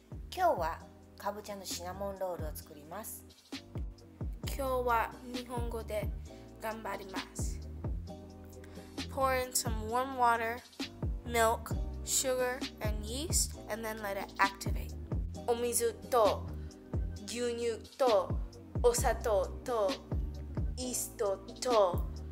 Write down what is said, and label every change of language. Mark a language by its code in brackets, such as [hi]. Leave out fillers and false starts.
[ja] 今日はかぼちゃのシナモンロールを作ります。今日は日本語で頑張ります。 [en] Pour in some warm water, milk, sugar, and yeast, and then let it activate. [ja] お水と牛乳とお砂糖とイーストと